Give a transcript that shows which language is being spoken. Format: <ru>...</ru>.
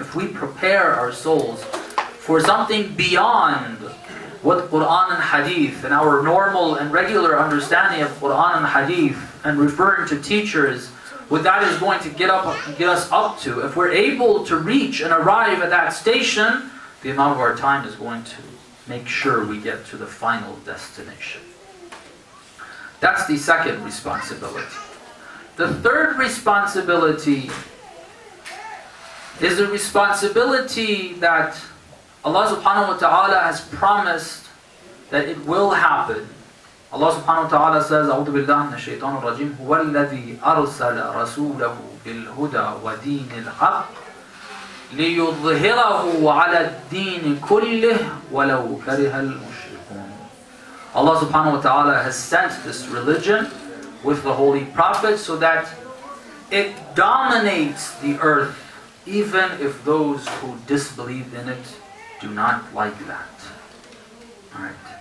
<en>If we prepare our souls for something beyond what Qur'an and Hadith and our normal and regular understanding of Qur'an and Hadith and referring to teachers, what that is going to get us up to, if we're able to reach and arrive at that station, the Imam of our time is going to make sure we get to the final destination. That's the second responsibility. The third responsibility is a responsibility that Allah subhanahu wa ta'ala has promised that it will happen. Allah subhanahu wa ta'ala says,</en> <ar>أَعُوذُ بِاللَّهِ مِنَ الشَّيْطَانِ الرَّجِيمِ هُوَ الَّذِي أَرْسَلَ رَسُولَهُ بِالْهُدَى وَدِينِ الْحَقِّ لِيُظْهِرَهُ عَلَى الدِّينِ كُلِّهِ وَلَوْ كَرِهَ الْمُشْرِكُونَ.</ar> <en>Allah subhanahu wa ta'ala has sent this religion with the Holy Prophet so that it dominates the earth, even if those who disbelieve in it do not like that. Alright.</en>